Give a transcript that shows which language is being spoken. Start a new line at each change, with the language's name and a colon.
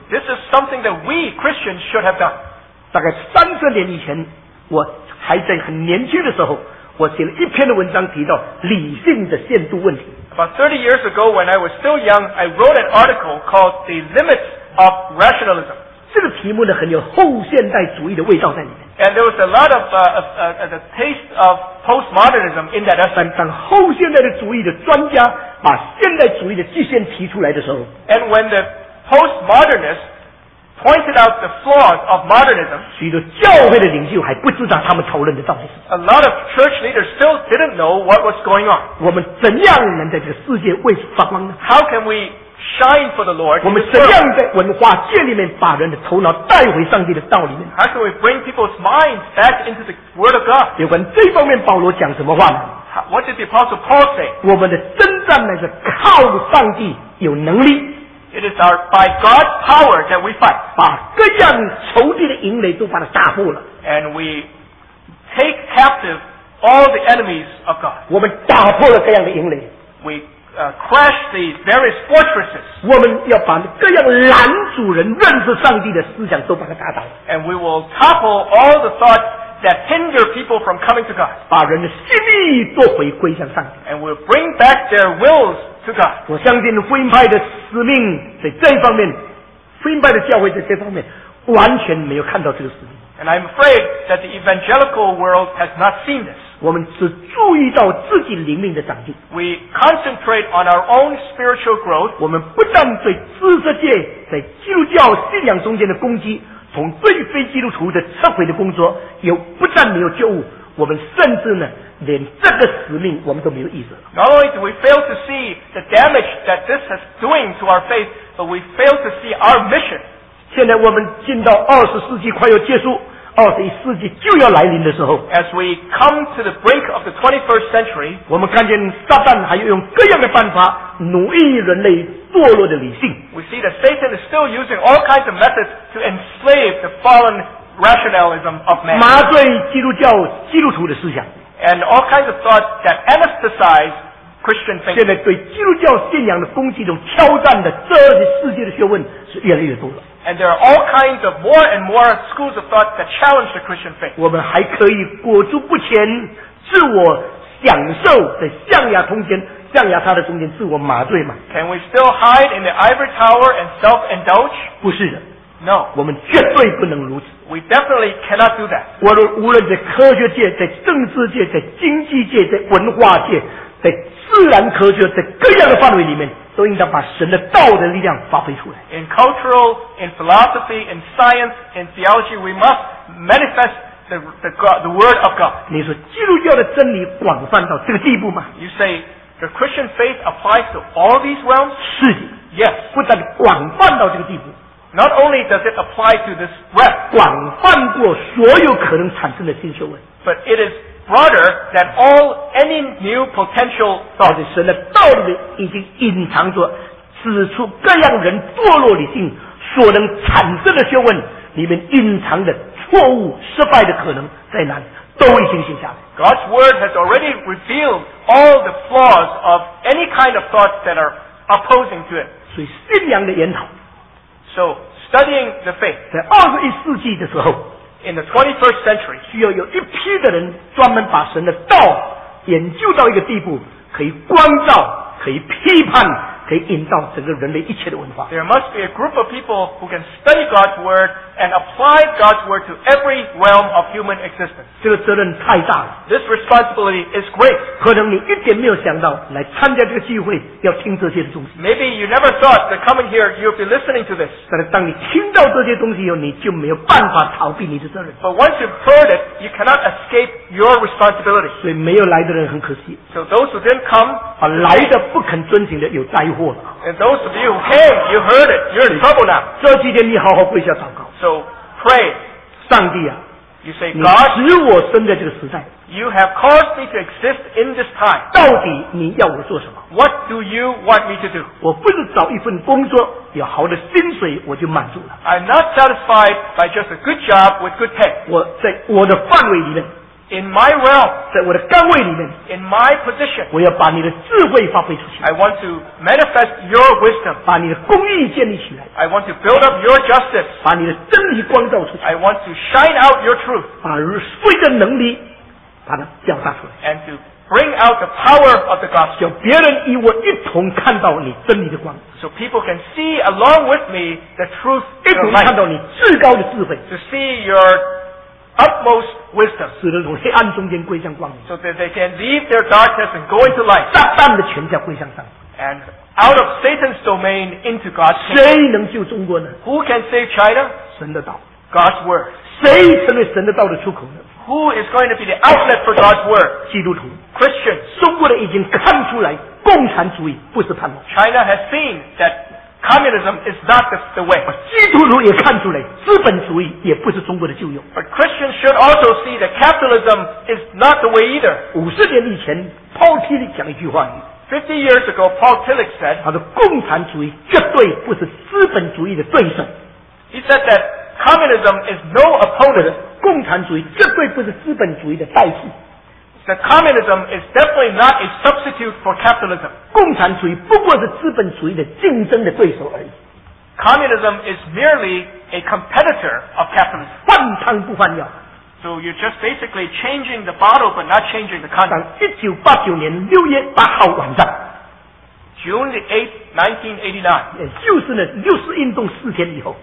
English: This is something that we Christians should have done.
Chinese: 大概三十年以前，我还在很年轻的时候，我写了一篇的文章提到理性的限度问题。
English: About 30 years ago, when I was still young, I wrote an article called The Limits of Rationalism.
Chinese: 这个题目呢，很有后现代主义的味道在里面。
English: And there was a lot of the taste of postmodernism in that essay.
Chinese: 当后现代的主义的专家把现代主义的极限提出来的时候，
English: And when the postmodernists pointed out the flaws of modernism,
Chinese: 许多教会的领袖还不知道他们讨论的到底是。
English: A lot of church leaders still didn't know what was going on.
Chinese: 我们怎样能在这个世界为主发光呢？
English: How can we shine for the Lord?
Chinese: 我们怎样在文化界里面把人的头脑带回上帝的道里面？
English: How can we bring people's minds back into the Word of God?
Chinese: 有关这方面，保罗讲什么话呢？
English: What did the Apostle Paul say?
Chinese: 我们的征战乃是靠上帝有能力。
English: It is our by God's power that we fight.
Chinese: 把各样仇敌的营垒都把它打破了。
English: And we take captive all the enemies of God.
Chinese: 我们打破了各样的营垒。
English: We crash the various fortresses.
Chinese: 我们要把各样拦阻人认识上帝的思想都把它打倒。
English: And we will topple all the thoughts that hinder people from coming to God.
Chinese: 把人的心意做回归向上帝。
English: And we'll bring back their wills.
Chinese: 我相信福音派的使命在这一方面，福音派的教会在这方面完全没有看到这个使命。
English: And I'm afraid that the evangelical world has not seen this.
Chinese: 我们只注意到自己灵命的长进。
English: We concentrate on our own spiritual growth.
Chinese: 我们不但对知识界在基督教信仰中间的攻击，从对非基督徒的撤回的工作，也不但没有觉悟，我们甚至呢。连这个使命我们都没有意识。
English: Not only do we fail to see the damage that this is doing to our faith, but we fail to see our mission.
Chinese: 现在我们进到二十世纪快要结束，二十一世纪就要来临的时候，
English: As we come to the brink of the 21st century,
Chinese: 我们看见撒旦还要用各样的办法奴役人类堕落的理性。
English: We see that Satan is still using all kinds of methods to enslave the fallen rationalism of man.
Chinese: 麻醉基督教基督徒的思想。
English: And all kinds of thoughts that anesthetize Christian thinking.
Chinese: 现在对基督教信仰的攻击中挑战的这些世界的学问是越来越多了。
English: And there are all kinds of more and more schools of thought that challenge the Christian faith.
Chinese: 我们还可以裹足不前，自我享受的象牙铜钱，象牙塔的铜钱，自我麻醉吗？
English: Can we still hide in the ivory tower and self-indulge?
Chinese: 不是的。
English: No.
Chinese: 我们绝对不能如此。
English: We definitely cannot do that.
Chinese: 我们无论在科学界，在政治界，在经济界，在文化界，在自然科学，在各样的范围里面，都应当把神的道的力量发挥出来。
English: In cultural, in philosophy, in science, in theology, we must manifest the word of God.
Chinese: 你说基督教的真理广泛到这个地步吗？
English: You say the Christian faith applies to all these realms?
Chinese: 是的。
English: Yes.
Chinese: 不但广泛到这个地步。
English: Not only does it apply to this realm,
Chinese: 广泛过所有可能产生的新学问。
English: But it is broader than all any new potential thought.
Chinese: 而且神的道理已经隐藏着，指出各样人堕落理性所能产生的学问里面隐藏的错误失败的可能在哪里，都已经写下来。
English: God's word has already revealed all the flaws of any kind of thoughts that are opposing to it.
Chinese: 所以信仰的研讨。
English: So studying the faith.
Chinese: 在二十一世纪的时候。
English: In the 21st century,
Chinese: 需要有一批的人专门把神的道研究到一个地步，可以光照，可以批判，可以引导整个人类一切的文化。
English: There must be a group of people who can study God's word and apply God's word to every realm of human existence.
Chinese: 这个责任太大了。
English: This responsibility is great.
Chinese: 可能你一点没有想到来参加这个聚会要听这些的东西。
English: Maybe you never thought that coming here you'll be listening to this.
Chinese: 但是当你听到这些东西以后，你就没有办法逃避你的责任。
English: But once you've heard it, you cannot escape your responsibility.
Chinese: 所以没有来的人很可惜。
English: So those who didn't come,
Chinese: 啊，来的不肯遵行的有灾祸。
English: And those of you who came, you heard it. You're in trouble now.
Chinese: 这几天你好好跪下祷告。
English: So pray,
Chinese: 上帝啊，
English: you say, God,
Chinese: 你使我生在这个时代。
English: You have caused me to exist in this time.
Chinese: 到底你要我做什么？
English: What do you want me to do?
Chinese: 我不是找一份工作，有好的薪水我就满足了。
English: I'm not satisfied by just a good job with good pay.
Chinese: 我在我的范围里面。
English: In my realm,
Chinese: 在我的岗位里面,
English: in my position,
Chinese: 我要把你的智慧发挥出去。
English: I want to manifest your wisdom,
Chinese: 把你的公义建立起来。
English: I want to build up your justice,
Chinese: 把你的真理光照出去。
English: I want to shine out your truth,
Chinese: 把福音的能力把它表达出来。
English: And to bring out the power of the gospel,
Chinese: 叫别人与我一同看到你真理的光。
English: So people can see along with me the truth,
Chinese: 一同看到你至高的智慧。
English: To see your utmost wisdom,
Chinese: 使人从黑暗中间归向光明。
English: So that they can leave their darkness and go into light.
Chinese: 撒旦的权柄归向上帝。
English: And out of Satan's domain into God's kingdom.
Chinese: 谁能救中国呢？
English: Who can save China?
Chinese: 神的道。
English: God's word.
Chinese: 谁成为神的道的出口呢？
English: Who is going to be the outlet for God's word?
Chinese: 基督徒。
English: Christians.
Chinese: 中国人已经看出来，共产主义不是盼望。
English: China has seen that Communism is not the way.
Chinese: 基督徒也看出来，资本主义也不是中国的救用。
English: But Christians should also see that capitalism is not the way either.
Chinese: 五十年以前 ，Paul Tillich 讲一句话。
English: 50 years ago, Paul Tillich said,
Chinese: 他说共产主义绝对不是资本主义的对手。
English: He said that communism is no opponent.
Chinese: 共产主义绝对不是资本主义的代替。
English: That communism is definitely not a substitute for capitalism.
Chinese: 共产主义不过是资本主义的竞争的对手而已。
English: Communism is merely a competitor of capitalism.
Chinese: 换汤不换药。
English: So you're just basically changing the bottle but not changing the content.
Chinese: 当1989年6月8号晚上。
English: June the 8th,
Chinese: 1989. 也就是六四运动四天以后。